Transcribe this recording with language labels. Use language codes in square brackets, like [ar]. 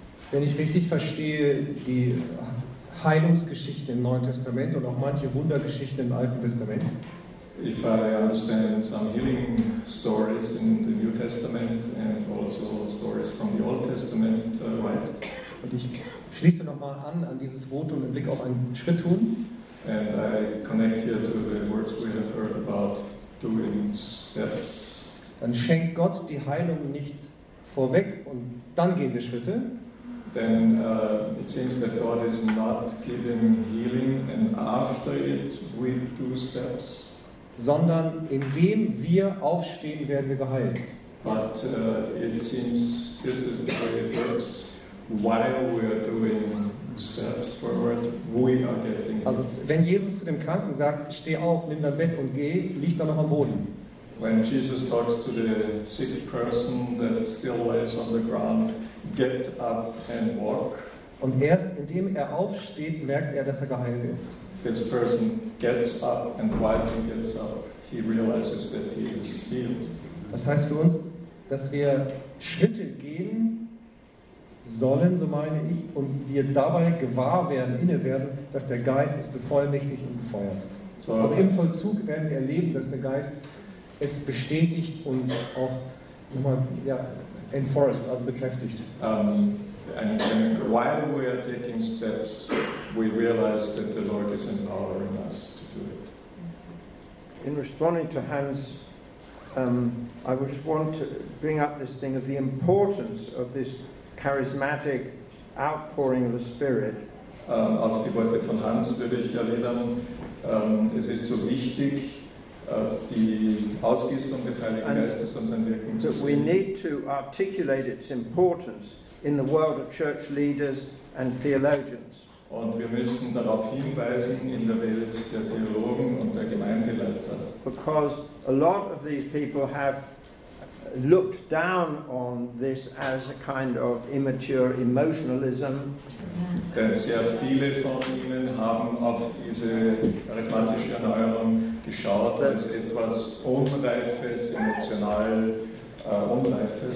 [de] Wenn ich richtig verstehe, die Heilungsgeschichte im Neuen Testament und auch manche Wundergeschichten im Alten Testament. [en] If I understand some healing stories in the New Testament and also stories from the Old Testament, right? [de] Und ich schließe nochmal an dieses Votum im Blick auf einen Schritt tun. [en] And I connect here to the words we have heard about doing steps. [de] Dann schenkt Gott die Heilung nicht vorweg und dann gehen wir Schritte. [en] Then it seems that God is not giving healing and after it we do steps. [de] Sondern indem wir aufstehen, werden wir geheilt. [en] But it seems this is the way it works. While we are doing steps forward, we are getting healed. [de] Also wenn Jesus zu dem Kranken sagt, steh auf, nimm dein Bett und geh, liegt er noch am Boden. [en] When Jesus talks to the sick person that still lays on the ground, get up and walk. [de] Und erst indem er aufsteht, merkt er, dass er geheilt ist. [en] This person gets up, and while he gets up, he realizes that he is healed. [de] Das heißt für uns, dass wir Schritte gehen sollen, so meine ich, und wir dabei gewahr werden, inne werden, dass der Geist es bevollmächtigt und befeuert. So, also im Vollzug werden wir erleben, dass der Geist es bestätigt und auch nochmal enforced, also bekräftigt. [en] And while we are taking steps, we realize that the Lord is empowering us to do it. In responding to Hans, I just want to bring up this thing of the importance of this charismatic outpouring of the Spirit. [de] Auf die Worte von Hans würde ich erinnern, es ist so wichtig, die Ausgießung des Heiligen Geistes und sein Wirken zu sehen. [en] We need to articulate its importance in the world of church leaders and theologians. [de] Und wir müssen darauf hinweisen in der Welt der Theologen und der Gemeindeleiter. [en] Because a lot of these people have looked down on this as a kind of immature emotionalism. [de] Denn sehr viele von ihnen haben auf diese charismatische Erneuerung geschaut als etwas Unreifes, emotional Unreifes.